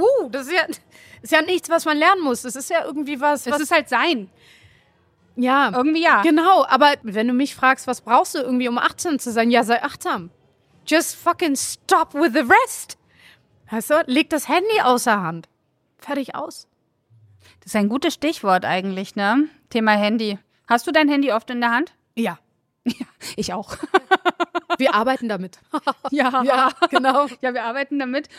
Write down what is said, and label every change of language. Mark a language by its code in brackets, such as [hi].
[de] Das ist ja nichts, was man lernen muss. Das ist ja irgendwie was. Das ist halt sein. Ja. Irgendwie ja. Genau, aber wenn du mich fragst, was brauchst du irgendwie, um achtsam zu sein? Ja, sei achtsam. [en] Just fucking stop with the rest. [de] Weißt du, leg das Handy außer Hand. Fertig, aus. Das ist ein gutes Stichwort eigentlich, ne? Thema Handy. Hast du dein Handy oft in der Hand? Ja. Ja, ich auch. Wir arbeiten damit. Ja, ja, genau. Ja, wir arbeiten damit.